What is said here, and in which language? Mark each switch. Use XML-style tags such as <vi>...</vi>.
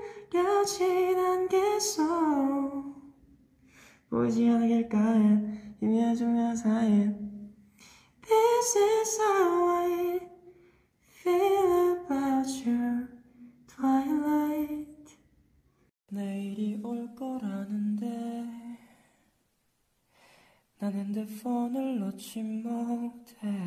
<ko>헤어진 한계 속 보이지 않은 길가에 희미한 조명 사이.</ko> <en>This is how I feel about your twilight.</en> <ko>내일이 올 거라는데 난 핸드폰을 놓지 못해.</ko>